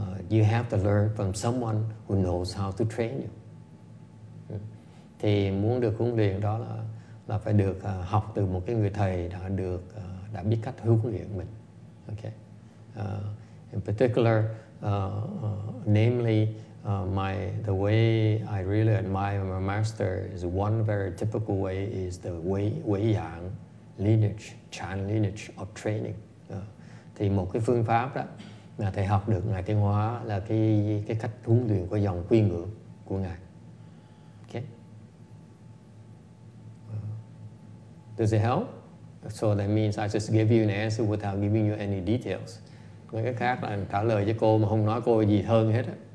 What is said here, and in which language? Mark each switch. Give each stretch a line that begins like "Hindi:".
English: You have to learn from someone who knows how to train you.
Vietnamese: Thì muốn được huấn luyện đó là phải được học từ một cái người thầy đã biết cách huấn luyện mình.
English: Okay. In particular, namely. The way I really admire my master is one very typical way is the Wei Yang lineage, Chan lineage of training.
Vietnamese: Thì một cái phương pháp đó mà thầy học được ngài Tiên Hóa là cái cách huấn luyện của dòng quy ngưỡng của ngài.
English: Okay. Does it help? So that means I just gave you an answer without giving you any details.
Vietnamese: Nói cách khác là trả lời cho cô mà không nói cô gì hơn hết á.